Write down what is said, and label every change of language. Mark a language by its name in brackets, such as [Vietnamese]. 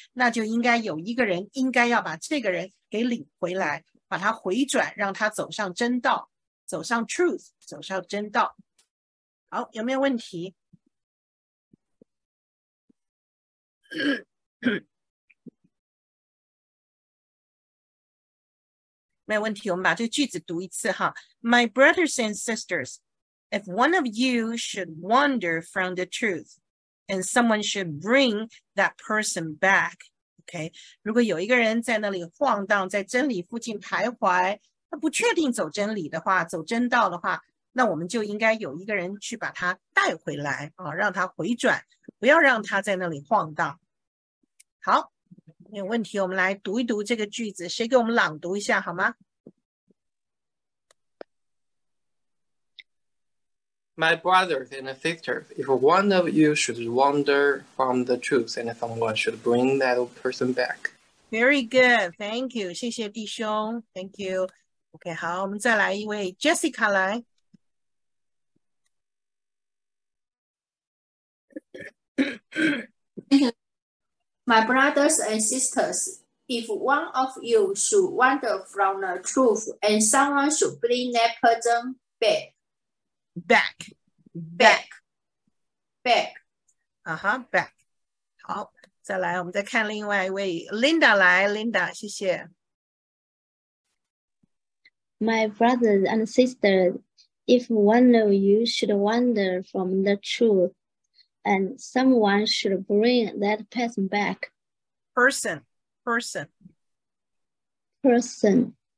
[Chinese] 那就应该有一个人，应该要把这个人给领回来，把他回转，让他走上真道，走上 truth, 走上真道。好，有没有问题？没有问题，我们把这个句子读一次哈。 [English] My brothers and sisters, if one of you should wander from the truth, and someone should bring that person back, okay? [Chinese] 如果有一个人在那里晃荡，在真理附近徘徊，他不确定走真理的话，走真道的话，那我们就应该有一个人去把他带回来啊，让他回转，不要让他在那里晃荡。好，没有问题，我们来读一读这个句子，谁给我们朗读一下好吗？ [English] My brothers and sisters, if one of you should wander from the truth and someone should bring that person back. Very good, thank you, [Chinese] 谢谢弟兄， [English] thank you. [Chinese] OK, 好，我们再来一位 Jessica 来。 [English] My brothers and sisters, if one of you should wander from the truth and someone should bring that person back. Back. Back. Back. Uh-huh, back. [Chinese] 好，再来，我们再看另外一位。 Linda 来，Linda，谢谢。 [English] My brothers and sisters, if one of you should wander from the truth and someone should bring that person back. Person, person. Person.